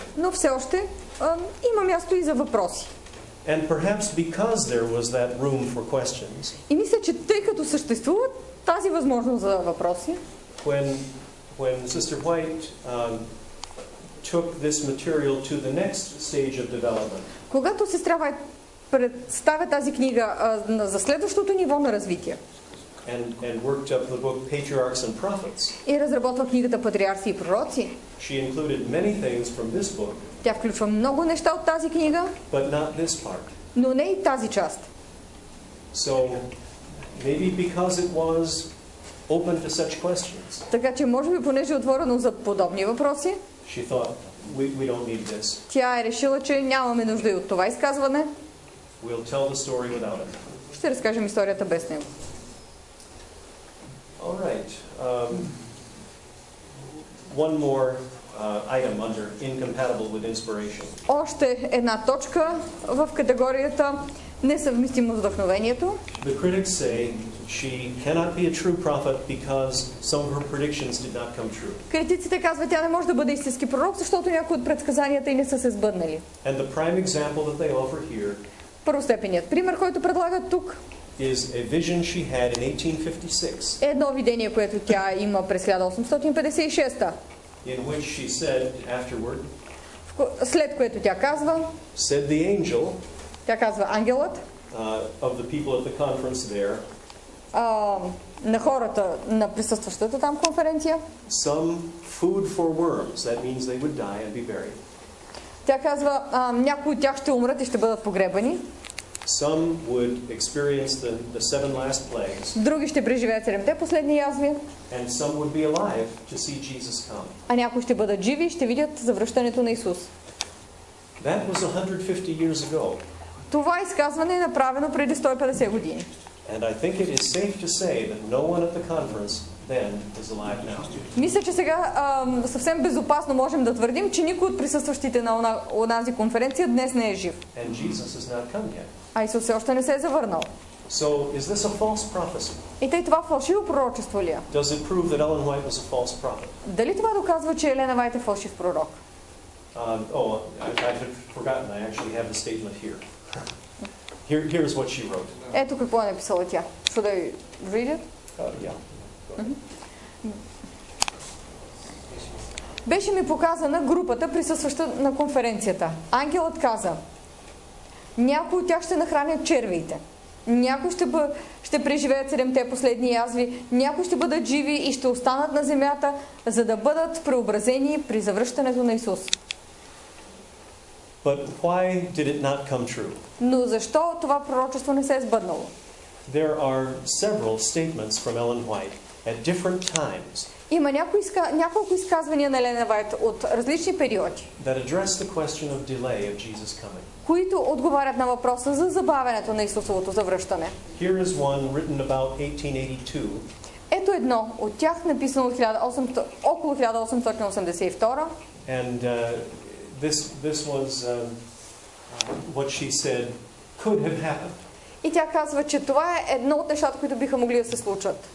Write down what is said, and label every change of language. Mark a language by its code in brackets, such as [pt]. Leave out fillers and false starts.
[bg] Но все още има място и за въпроси. [en] And perhaps because there was that room for questions. [bg] И мисля, че тъй като съществува тази възможност за въпроси. [en] When Sister White took this material to the next stage of development. [bg] Когато сестра Вайт представя тази книга за следващото ниво на развитие. [en] And worked up the book Patriarchs and Prophets. [bg] И разработва книгата Патриарси и пророци. [en] She included many things from this book. [bg] Тя включва много неща от тази книга. [en] But not this part. [bg] Но не и тази част. [en] So maybe because it was open to such questions. [bg] Така че може би понеже е отворено за подобни въпроси. [en] She thought we don't need this. [bg] Тя е решила, че нямаме нужда и от това изказване. [en] We'll tell the story without it. [bg] Ще разкажем историята без него. [en] All right. One more item under incompatible with inspiration. [bg] Още една точка в категорията несъвместимо с вдъхновението. [en] The critics say she cannot be a true prophet because some of her predictions did not come true. [bg] Критиците казват, тя не може да бъде истински пророк, защото някои от предсказанията й не са се сбъднали. [en] And the prime example that they offer here. [bg] Първостепенният пример, който предлагат тук, [en] is a vision she had in 1856. [bg] Едно видение, което тя има през 1856. [en] In which she said afterward. [bg] След което тя казва. [en] Said the angel. [bg] Тя казва ангелът. [en] Of the people at the conference there. [bg] На хората на присъстващата там конференция. [en] Some food for worms. That means they would die and be buried. [bg] Тя казва, някои от тях ще умрат и ще бъдат погребани. [en] Some would experience the seven last plagues. [bg] Други ще преживеят седемте последни язви. [en] And some would be alive to see Jesus come. [bg] А някои ще бъдат живи и ще видят завръщането на Исус. [en] That was 150 years ago. [bg] Това изказване е направено преди 150 години. [en] And I think it is safe to say that no one at the conference then is alive now. [bg] Мисля, че сега съвсем безопасно можем да твърдим, че никой от присъстващите на онази конференция днес не е жив. [en] And Jesus has not come yet. [bg] А Исус все още не се е завърнал. [en] So, is this a false prophecy? [bg] И тъй това фалшиво пророчество ли е? [en] Does it prove that Ellen White was a false prophet? [bg] Дали това доказва, че Елена Вайт е фалшив пророк? [en] I had forgotten. I actually have the statement here. Here is what she wrote. [bg] Ето какво е написала тя. [en] Should I read it? [bg] Беше ми показана групата, присъстваща на конференцията. Ангелът каза, някои от тях ще нахранят червеите. Някои ще преживеят седемте последни язви. Някои ще бъдат живи и ще останат на земята, за да бъдат преобразени при завръщането на Исус. [en] But why did it not come true? [bg] Но защо това пророчество не се е сбъднало? [en] There are several statements from Ellen White at different times. [bg] Има няколко изказвания на Елена Вайт от различни периоди. [en] That address the question of delay of Jesus coming. [bg] Които отговарят на въпроса за забавянето на Исусовото завръщане. [en] Here is one written about 1882. [bg] Ето едно от тях написано около 1882. [en] And this was what she said could have happened. [bg] И тя казва, че това е едно от нещата, които биха могли да се случат.